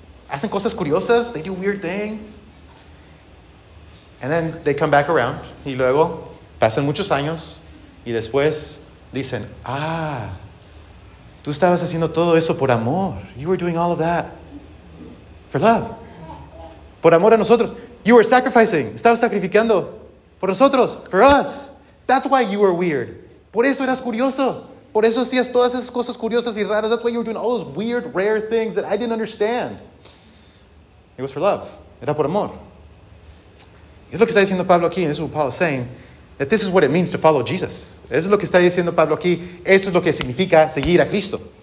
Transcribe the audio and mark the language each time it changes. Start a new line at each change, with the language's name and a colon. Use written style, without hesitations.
Spanish: Hacen cosas curiosas.
English: They do weird things. And then they come back around.
Spanish: Y luego pasan muchos años. Y después dicen, ah, tú estabas haciendo todo eso por amor.
English: You were doing all of that for love.
Spanish: Por amor a nosotros.
English: You were sacrificing.
Spanish: Estabas sacrificando por nosotros,
English: for us. That's why you were weird.
Spanish: Por eso eras curioso. Por eso hacías todas esas cosas curiosas y raras.
English: That's why you were doing all those weird, rare things that I didn't understand. It was for love.
Spanish: Era por amor. Es lo que está diciendo Pablo aquí.
English: And this is what Paul is saying. That this is what it means to follow Jesus.
Spanish: Es lo que está diciendo Pablo aquí. Esto es lo que significa seguir a Cristo.